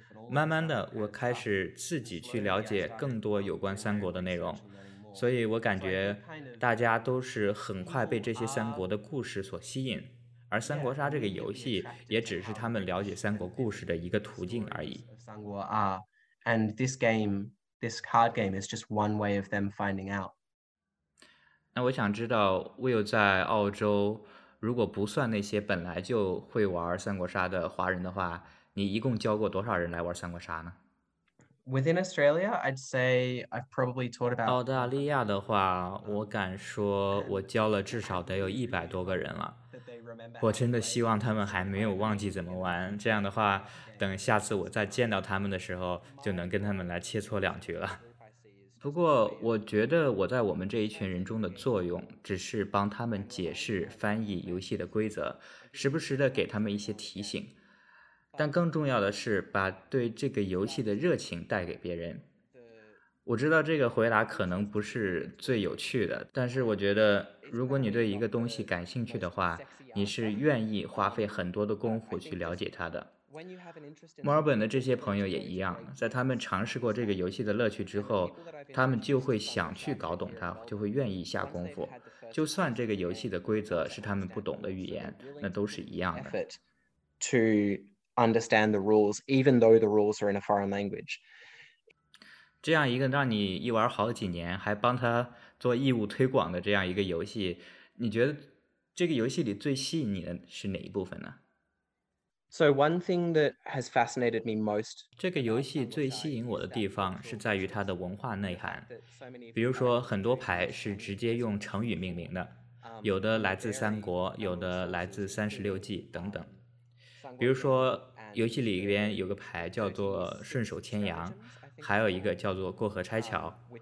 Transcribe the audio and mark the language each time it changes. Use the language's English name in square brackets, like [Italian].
[Chinese] 慢慢的我开始自己去了解更多有关三国的内容，所以我感觉大家都是很快被这些三国的故事所吸引，而三国杀这个游戏也只是他们了解三国故事的一个途径而已。 [English] And this game, this card game is just one way of them finding out. [Chinese] 那我想知道 Will 在澳洲如果不算那些本来就会玩三国杀的华人的话，你一共教过多少人来玩三国杀呢？ [English] Within Australia, I'd say I've probably taught about [Chinese] 澳大利亚的话，我敢说我教了至少得有100多个人了。我真的希望他们还没有忘记怎么玩，这样的话等下次我再见到他们的时候就能跟他们来切磋两句了。不过我觉得我在我们这一群人中的作用只是帮他们解释翻译游戏的规则，时不时的给他们一些提醒，但更重要的是把对这个游戏的热情带给别人。我知道这个回答可能不是最有趣的，但是我觉得如果你对一个东西感兴趣的话，你是愿意花费很多的功夫去了解它的。墨尔本的这些朋友也一样，在他们尝试过这个游戏的乐趣之后，他们就会想去搞懂它，就会愿意下功夫。就算这个游戏的规则是他们不懂的语言，那都是一样的。 [English] To understand the rules, even though the rules are in a foreign language. [Chinese] 这样一个让你一玩好几年，还帮他做义务推广的这样一个游戏，你觉得这个游戏里最吸引你的是哪一部分呢？ [English] So one thing that has fascinated me most. [Chinese] 这个游戏最吸引我的地方是在于它的文化内涵。比如说，很多牌是直接用成语命名的，有的来自三国，有的来自三十六计等等。比如说，游戏里边有个牌叫做顺手牵羊，还有一个叫做过河拆桥。